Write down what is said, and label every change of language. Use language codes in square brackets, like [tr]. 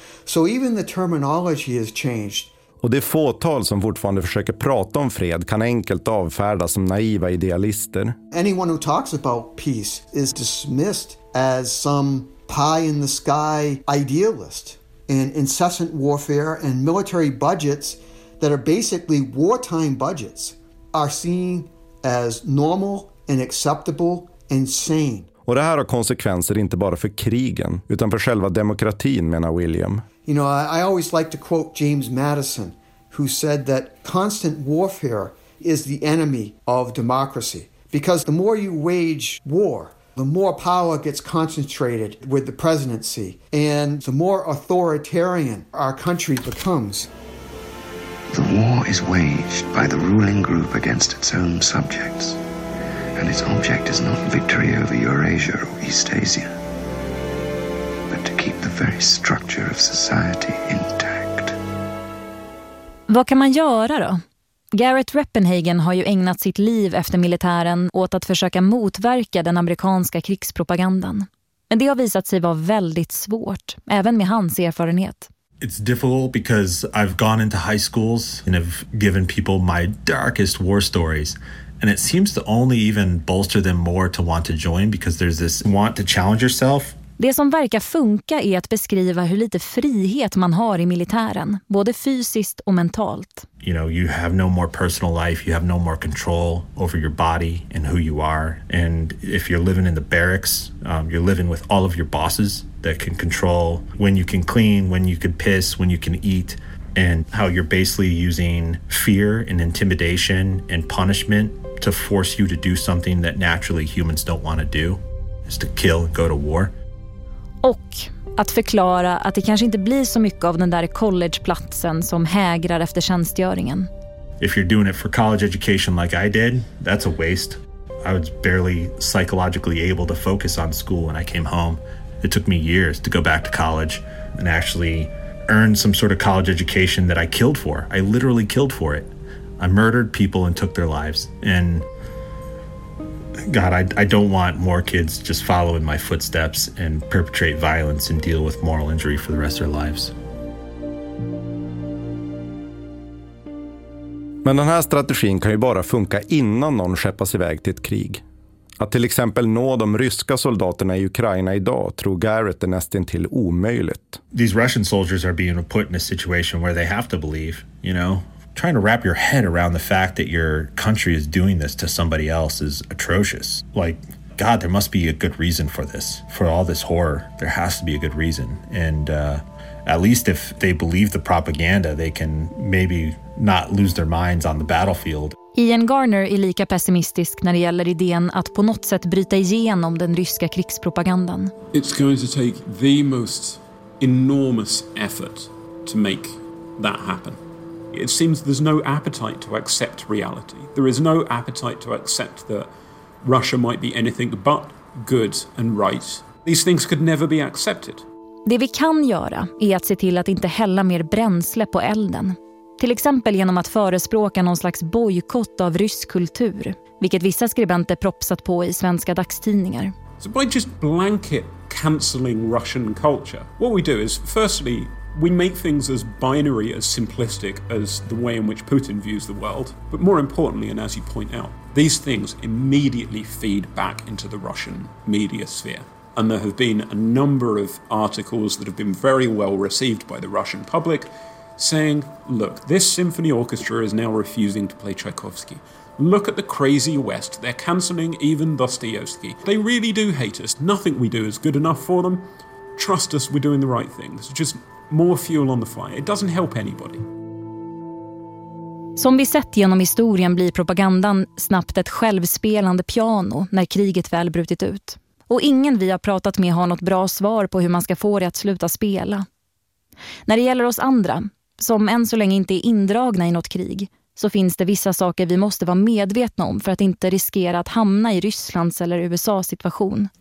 [en] So even the terminology has changed. [sv] Och det fåtal som fortfarande försöker prata om fred kan enkelt avfärdas som naiva idealister. [en] Anyone who talks about peace is dismissed as some pie in the sky idealist. And incessant warfare and military budgets that are basically wartime budgets are seen as normal and acceptable and sane. [sv] Och det här har konsekvenser inte bara för krigen utan för själva demokratin, menar William. [en] You know, I always like to quote James Madison, who said that constant warfare is the enemy of democracy. Because the more you wage war, the more power gets concentrated with the presidency, and the more authoritarian our country becomes. The war is waged by the ruling group against its own subjects, and its object is not victory over Eurasia or East Asia, but to keep the very structure of society intact. [sv] Vad kan man göra då? Garrett Reppenhagen har ju ägnat sitt liv efter militären åt att försöka motverka den amerikanska krigspropagandan. Men det har visat sig vara väldigt svårt, även med hans erfarenhet. [en] It's difficult because I've gone into high schools and have given people my darkest war stories. And it seems to only even bolster them more to want to join because there's this want to challenge yourself. [sv] Det som verkar funka är att beskriva hur lite frihet man har i militären, både fysiskt och mentalt. [en] You know, you have no more personal life, you have no more control over your body and who you are. And if you're living in the barracks, you're living with all of your bosses that can control when you can clean, when you can piss, when you can eat, and how you're basically using fear and intimidation and punishment to force you to do something that naturally humans don't want to do, is to kill and go to war. [sv] Och att förklara att det kanske inte blir så mycket av den där collegeplatsen som hägrar efter tjänstgöringen. [en] If you're doing it for college education like I did, that's a waste. I was barely psychologically able to focus on school when I came home. It took me years to go back to college and actually earn some sort of college education that I killed for. I literally killed for it. I murdered people and took their lives. And God, I don't want more kids just follow in my footsteps and perpetrate violence and deal with moral injury for the rest of their lives. [sv] Men den här strategin kan ju bara funka innan någon skeppas iväg till ett krig. Att till exempel nå de ryska soldaterna i Ukraina idag tror Garrett är nästintill omöjligt. [en] These Russian soldiers are being put in a situation where they have to believe, you know? Trying to wrap your head around the fact that your country is doing this to somebody else is atrocious. Like, God, there must be a good reason for this. For all this horror, there has to be a good reason. And at least if they believe the propaganda, they can maybe not lose their minds on the battlefield. [sv] Ian Garner är lika pessimistisk när det gäller idén att på något sätt bryta igenom den ryska krigspropagandan. [en] It's going to take the most enormous effort to make that happen. It seems there's no appetite to accept reality. There is no appetite to accept that Russia might be anything but good and right. These things could never be accepted. [sv] Det vi kan göra är att se till att inte hälla mer bränsle på elden. Till exempel genom att förespråka någon slags bojkott av rysk kultur, vilket vissa skribenter propsat på i svenska dagstidningar. [en] So by just blanket cancelling Russian culture, what we do is firstly, we make things as binary, as simplistic as the way in which Putin views the world. But more importantly, and as you point out, these things immediately feed back into the Russian media sphere. And there have been a number of articles that have been very well received by the Russian public saying, look, this symphony orchestra is now refusing to play Tchaikovsky. Look at the crazy West. They're cancelling even Dostoevsky. They really do hate us. Nothing we do is good enough for them. Trust us, we're doing the right thing. This is just more fuel on the fire. It doesn't help anybody. [sv] Som vi sett genom historien blir propagandan snabbt ett självspelande piano när kriget väl brutit ut. Och ingen vi har pratat med har något bra svar på hur man ska få det att sluta spela. När det gäller oss andra, som än så länge inte är indragna i något krig, så finns det vissa saker vi måste vara medvetna om för att inte riskera att hamna i Rysslands eller USAs situation.